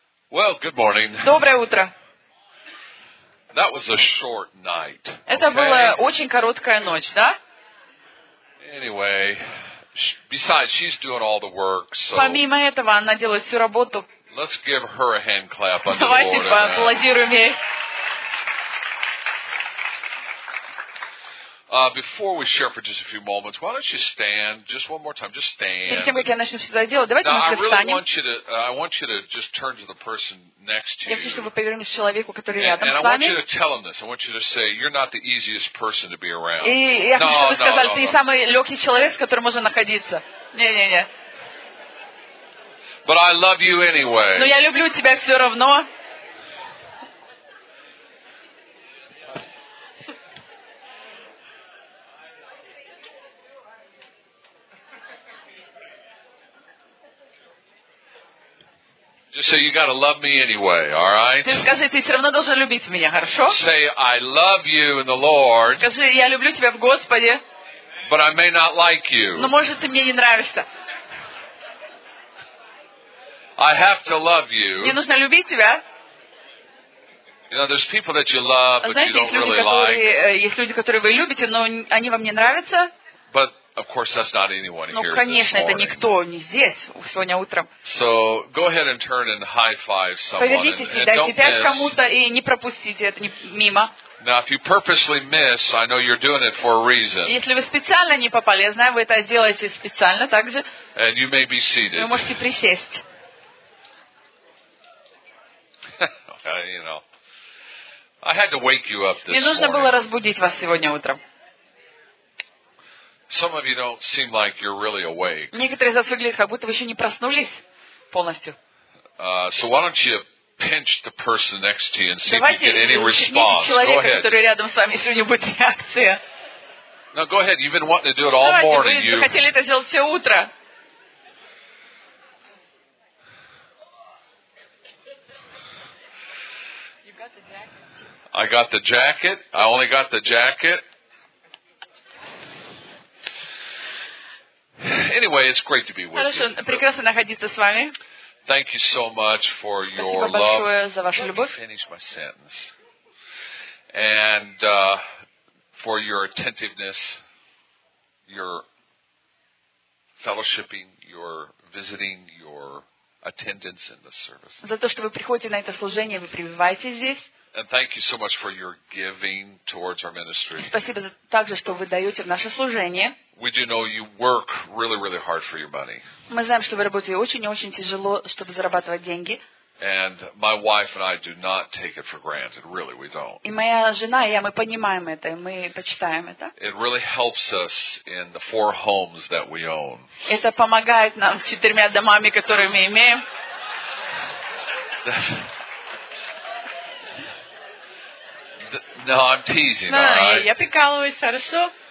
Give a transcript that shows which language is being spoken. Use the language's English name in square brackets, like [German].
[English] Well, good morning. [Russian] Доброе утро. [English] That was a short night. [Russian] Это была очень короткая ночь, да? [English] Anyway... Besides, she's doing all the work, so... [Russian] Помимо этого, она делает всю работу. [English] Let's give her a hand clap on the [Russian] Давайте поаплодируем ей. [English] Before we share for just a few moments, why don't you stand just one more time? Just stand. [Russian] Перед тем, как я начну все это делать, давайте мы все встанем. [English] I want you to just turn to the person next to you. [Russian] Я хочу, чтобы вы повернулись к человеку, который рядом с вами. [English] And I want you to tell him this. I want you to say, you're not the easiest person to be around. [Russian] И я хочу, чтобы вы сказали, ты самый легкий человек, с которым можно находиться. Не-не-не. [English] But I love you anyway. [Russian] Но я люблю тебя все равно. [English] So you got to love me anyway, all right? [Russian] Ты скажи, ты все равно должен любить меня, хорошо? [English] Say I love you in the Lord. [Russian] Скажи, я люблю тебя в Господе. [English] But I may not like you. [Russian] Но может ты мне не нравишься. [English] I have to love you. [Russian] Мне нужно любить тебя. [English] You know, there's people that you love, but [Russian] знаете, [English] you don't really like. [Russian] Есть люди, которые вы любите, но они вам не нравятся. [English] But of course, that's not anyone here. [Russian] Ну, конечно, [English] this [Russian] это никто не здесь сегодня утром. [English] So go ahead and turn and high five someone. [Russian] Повернитесь [English] and [Russian] дайте пять кому-то и не пропустите это мимо. [English] Now, if you purposely miss, I know you're doing it for a reason. [Russian] Если вы специально не попали, я знаю, вы это делаете специально также. [English] And you may be seated. [Russian] Вы можете присесть. [English] You know, I had to wake you up this morning. [Russian] Мне нужно было разбудить вас сегодня утром. [English] Some of you don't seem like you're really awake. [Russian] Некоторые из вас выглядят, как будто вы еще не проснулись полностью. [English] So why don't you pinch the person next to you and see [Russian] Давайте [English] if you get any response? [Russian] Человека, [English] go ahead. [Russian] Который рядом с вами, если у него будет реакция. [English] Now go ahead. You've been wanting to do it all morning. [Russian] Вы хотели это сделать все утро. [English] I got the jacket. I only got the jacket. Anyway, it's great to be with [Russian] Хорошо, [English] you. [Russian] Прекрасно находиться с вами. [English] Thank you so much for [Russian] Спасибо [English] your [Russian] большое [English] love. [Russian] За вашу [English] Let [Russian] любовь. [English] Me finish my sentence. And for your attentiveness, your fellowshipping, your visiting, your attendance in the service. [Russian] За то, что вы приходите на это служение, вы пребываете здесь. [English] And thank you so much for your giving towards our ministry. [Russian] Спасибо также, что вы даете в наше служение. [English] We do know you work really, really hard for your money. [Russian] Мы знаем, что вы работаете очень-очень тяжело, чтобы зарабатывать деньги. [English] And my wife and I do not take it for granted. Really, we don't. [Russian] И моя жена и я, мы понимаем это, мы почитаем это. [English] It really helps us in the four homes that we own. [Russian] Это помогает нам с четырьмя домами, которые мы имеем. [English] No, I'm teasing, no, all right? [Russian] Я прикалываюсь, хорошо?